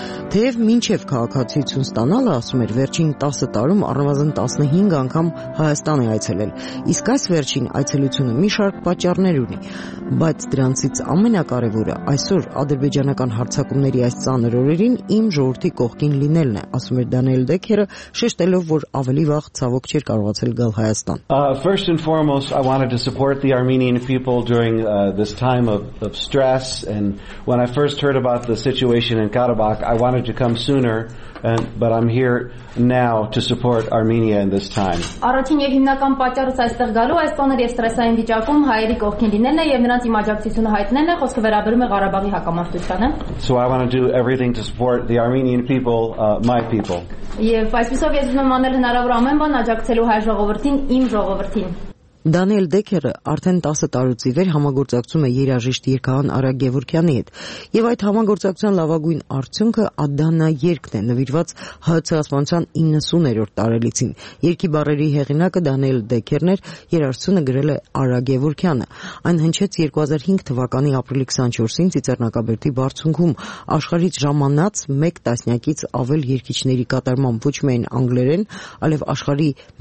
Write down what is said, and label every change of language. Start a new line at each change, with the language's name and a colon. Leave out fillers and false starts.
Armenian: Թեև մինչև քաղաքացիություն ստանալը, ասում էր, վերջին 10 տարում առնվազն 15 անգամ Հայաստան է այցելել, իսկ այս վերջին այցելությունը մի շարք պատճառներ ունի, բայց դրանցից ամենակարևորը այսօր ադրբեջանական հարձակումների այս ծանր օրերին իմ ժողովրդի կողքին լինելն է, ասում էր Դանիել Դեքերը, շեշտելով, որ ավելի վաղ ցավոք չէր կարողացել գալ Հայաստան։
English: First and foremost, I wanted to support the Armenian people during this time of stress, and when I first heard about the situation in Karabakh, I wanted to come sooner, but I'm here now to support Armenia in this time.
Armenian: Արդեն եւ հիմնական պատճառը այստեղ գալու այս ծանր եւ ստրեսային վիճակում հայերի կողքին լինելն է եւ նրանց իմաճակցությունը հայտնելն է, խոսքը վերաբերում է Ղարաբաղի հակամարտությանը.
English: So I want to do everything to support the Armenian people, my people.
Armenian: Եվ այսպեսով ես ուզում եմ անել հնարավոր ամեն բան աջակցելու հայ ժողովրդին, իմ ժողովրդին։ Դանիել Դեքերը արդեն 10 տարուց ի վեր համագործակցում է երաժիշտ երգահան Արա Գևորգյանի հետ, եւ այդ համագործակցության լավագույն արդյունքը Ադանա երգն է, նվիրված հայցասպանության 90-երորդ տարելիցին։ Երգի բառերի հեղինակը Դանիել Դեքերն էր, երաժշտությունը գրել է Արա Գևորգյանը։ Այն հնչեց 2005 թվականի ապրիլի 24-ին ծիծեռնակաբերդի բարձունքում, աշխարհից ժամանած 1 տասնյակից ավել երգիչների կատարմամբ, ոչ միայն անգլերեն, այլև աշխարհի